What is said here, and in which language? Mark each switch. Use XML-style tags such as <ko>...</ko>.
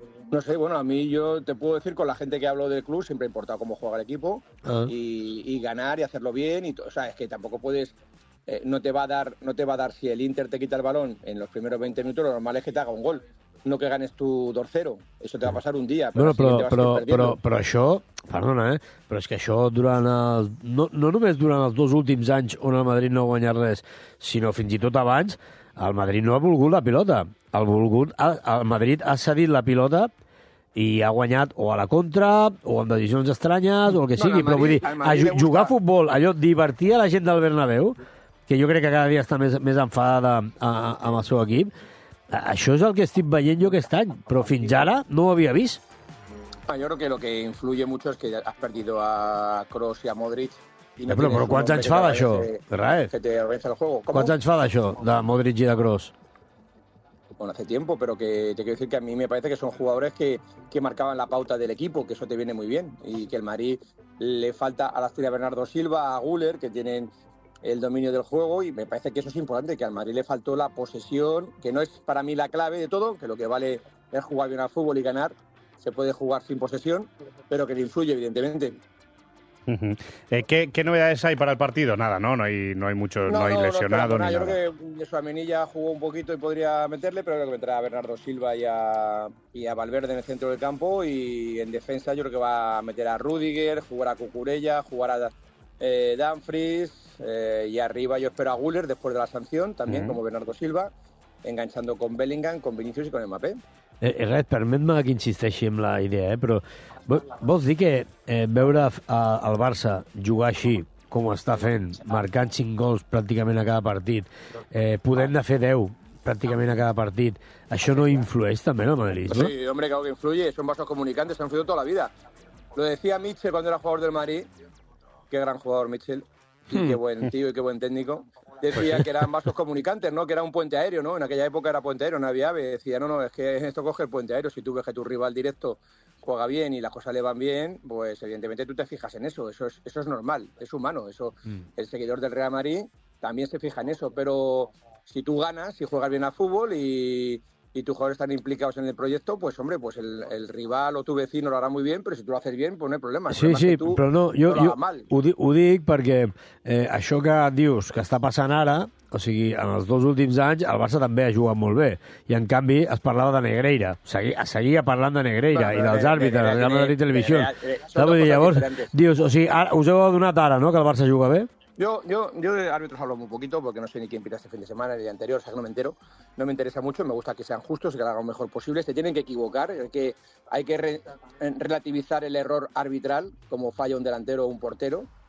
<es>No sé, bueno, a mí yo te puedo decir, con la gente que hablo del club, siempre ha importado cómo juega el equipo y ganar y hacerlo bien. Y, o sea, es que tampoco puedes... No te va a dar si el Inter te quita el balón en los primeros 20 minutos, lo normal es que te haga un gol, no que ganes tu 2-0. Eso te va a pasar un día. Pero eso...</es> <ca>Perdona, però és que això durant els, no només durant els dos últims anys on el Madrid no ha guanyat res, sinó fins i tot abans, el Madrid no ha volgut la pilota. El Madrid ha cedit la pilota i ha guanyat o a la contra, o amb decisions estranyes, o el que sigui. No, Madrid, però vull dir, jugar a futbol, allò, divertir a la gent del Bernabéu, que jo crec que cada dia està més enfadada amb el seu equip, això és el que estic veient jo aquest any, però fins ara no ho havia vist.</ca> <es>Yo creo que lo que influye mucho es que has perdido a Kroos y a Modric. Y no, pero ¿cuántos años</es> <ca>fa d'això?</ca> <es>Que te organiza el juego. ¿Cuántos años</es> <ca>fa d'això,</ca> <es>de Modric y de Kroos? Bueno, hace tiempo, pero que te quiero decir que a mí me parece que son jugadores que marcaban la pauta del equipo, que eso te viene muy bien. Y que el Madrid le falta a la estrella Bernardo Silva, a Güler, que tienen el dominio del juego. Y me parece que eso es importante, que al Madrid le faltó la posesión, que no es para mí la clave de todo, que lo que vale es jugar bien al fútbol y ganar. Se puede jugar sin posesión, pero que le influye, evidentemente. Uh-huh. ¿Qué novedades hay para el partido? Nada, ¿no? No hay lesionado ni nada. Yo creo que de su amenilla jugó un poquito y podría meterle, pero creo que meterá a Bernardo Silva y a Valverde en el centro del campo. Y en defensa yo creo que va a meter a Rüdiger, jugar a Cucurella, jugar a Dumfries. Y arriba yo espero a Güler después de la sanción, también como Bernardo Silva, enganchando con Bellingham, con Vinicius y con Mbappé.</es> <ca>Res, permet-me que insisteixi en la idea, però vols dir que veure el Barça jugar així, com està fent, marcant 5 gols pràcticament a cada partit, podent de fer 10 pràcticament a cada partit, això no influeix també en el Madrid?</ca> <es>Sí, hombre, claro que influye, son vasos comunicantes, han influido toda la vida. Lo decía Mitchell cuando era jugador del Madrid, qué gran jugador Mitchell, y qué buen tío y qué buen técnico. Decía que eran vasos comunicantes, ¿no? Que era un puente aéreo, ¿no? En aquella época era puente aéreo, no había ave. Decía, no, es que esto coge el puente aéreo. Si tú ves que tu rival directo juega bien y las cosas le van bien, pues evidentemente tú te fijas en eso. Eso es normal, es humano. El seguidor del Real Madrid también se fija en eso. Pero si tú ganas, si juegas bien al fútbol y tus jugadores están implicados en el proyecto, pues hombre, pues el rival o tu vecino lo hará muy bien, pero si tú lo haces bien, pues no hay problema.</es> <ca>Sí, sí, però no, jo ho dic perquè això que dius que està passant ara, o sigui, en els dos últims anys el Barça també ha jugat molt bé, i en canvi es parlava de Negreira, seguia parlant de Negreira i dels àrbitres, de la Madrid Televisió. Llavors, dius, o sigui, us heu adonat ara, no?, que el Barça juga bé?</ca> <es>Yo de árbitros hablo muy poquito porque no sé ni quién pita este fin de semana, ni el anterior, o sea que no me entero. No me interesa mucho, me gusta que sean justos, que lo hagan lo mejor posible. Se tienen que equivocar, hay que relativizar el error arbitral como falla un delantero o un portero.</es>